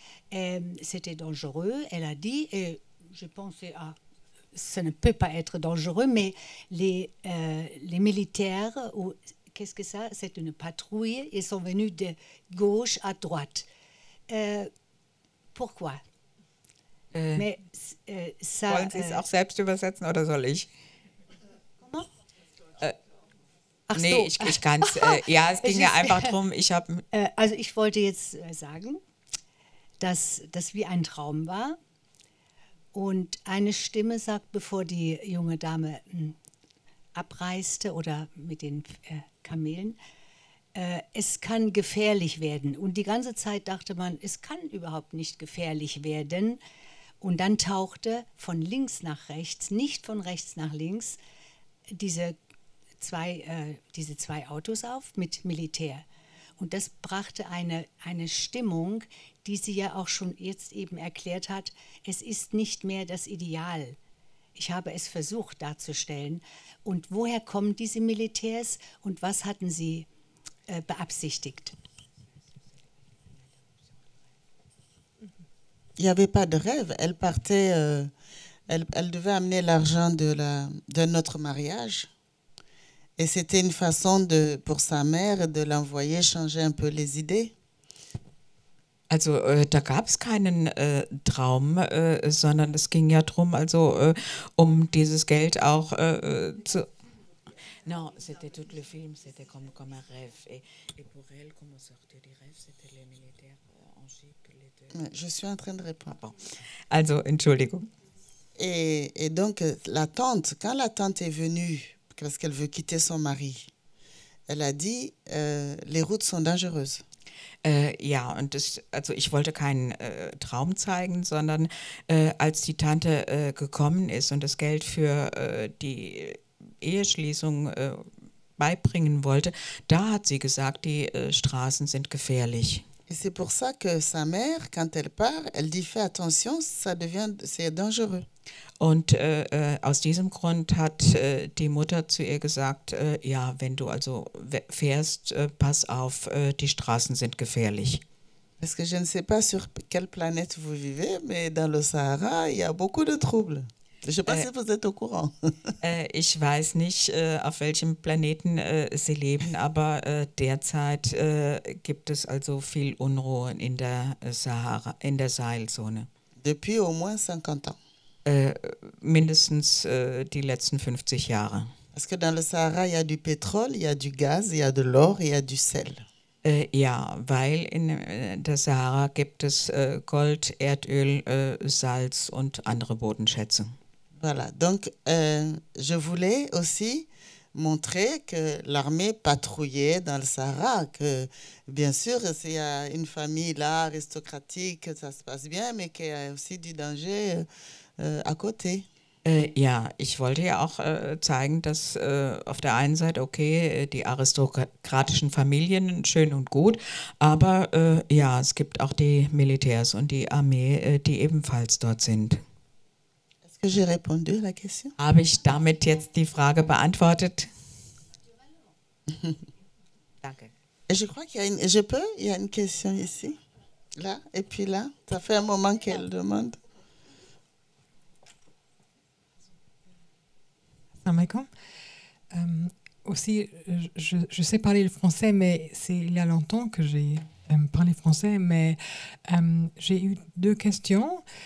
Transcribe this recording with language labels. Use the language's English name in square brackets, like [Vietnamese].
[French] Et c'était dangereux, elle a dit, et je pensais à. Ça ne peut pas être dangereux, mais les militaires, ou qu'est-ce que ça? C'est une patrouille, ils sont venus de gauche à droite. Pourquoi? Mais ça. [German] Wollen Sie es auch selbst übersetzen oder soll ich? [French] Comment? [German] Ach nee, so. Ich kann es. ja, es ging ja einfach darum, ich habe. Also, ich wollte jetzt sagen, dass das wie ein Traum war. Und eine Stimme sagt, bevor die junge Dame abreiste oder mit den Kamelen, es kann gefährlich werden. Und die ganze Zeit dachte man, es kann überhaupt nicht gefährlich werden. Und dann tauchte von links nach rechts, nicht von rechts nach links, diese zwei Autos auf mit Militär. Und das brachte eine Stimmung, die sie ja auch schon jetzt eben erklärt hat, es ist nicht mehr das Ideal. Ich habe es versucht darzustellen. Und woher kommen diese Militärs und was hatten sie beabsichtigt? [French] Il y avait pas de rêve. Elle partait, elle devait amener l'argent de notre mariage. Et c'était une façon de pour sa mère de l'envoyer changer un peu les idées. [German] Also da gab es keinen Traum, sondern es ging ja drum, also um dieses Geld auch zu. [French] Non, c'était tout le film, c'était comme un rêve. Et pour elle, comment sortir du rêve, c'était les militaires en jeep, les deux. Je suis en train de répondre. [German] Also Entschuldigung. [French] Et donc, la tante, quand la tante est venue, parce qu'elle veut quitter son mari, elle a dit, les routes sont dangereuses. [German] Ja, und das, also ich wollte keinen Traum zeigen, sondern als die Tante gekommen ist und das Geld für die Eheschließung beibringen wollte, da hat sie gesagt, die Straßen sind gefährlich. [French] Et c'est pour ça que sa mère, quand elle part, elle dit, fais attention, ça devient, c'est dangereux. [German] Und aus diesem Grund hat die Mutter zu ihr gesagt, ja, wenn du also fährst, pass auf, die Straßen sind gefährlich. [French] Parce que je ne sais pas sur quelle planète vous vivez, mais dans le Sahara, il y a beaucoup de troubles. Je sais pas si vous êtes au courant. [German] Ich weiß nicht, auf welchem Planeten Sie leben, aber derzeit gibt es also viel Unruhe in der Sahara, in der Sahelzone. [French] Depuis au moins 50 ans. [German] Mindestens die letzten 50 Jahre. [French] Parce que dans le Sahara, il y a du pétrole, il y a du gaz, il y a de l'or, il y a du sel. [German] Ja, weil in der Sahara gibt es Gold, Erdöl, Salz und andere Bodenschätze. [French] Voilà. Donc, je voulais aussi montrer que l'armée patrouillait dans le Sahara. Que, bien sûr, s'il y a une famille là, aristocratique, ça se passe bien, mais qu'il y a aussi du danger à côté. [German] Ja, ich wollte ja auch zeigen, dass auf der einen Seite, okay, die aristokratischen Familien, schön und gut, aber ja, es gibt auch die Militärs und die Armee, die ebenfalls dort sind. [French] J'ai répondu à la question. [German] Habe ich damit jetzt die Frage beantwortet? Danke. [French] Je crois qu'il y a une, je peux, il y a une question ici. Là, et puis là. Ça fait un moment qu'elle demande. [Arabic] Assalamu alaikum. [French] Aussi, je sais parler le français, mais c'est il y a longtemps que j'ai parler français, mais j'ai eu deux questions.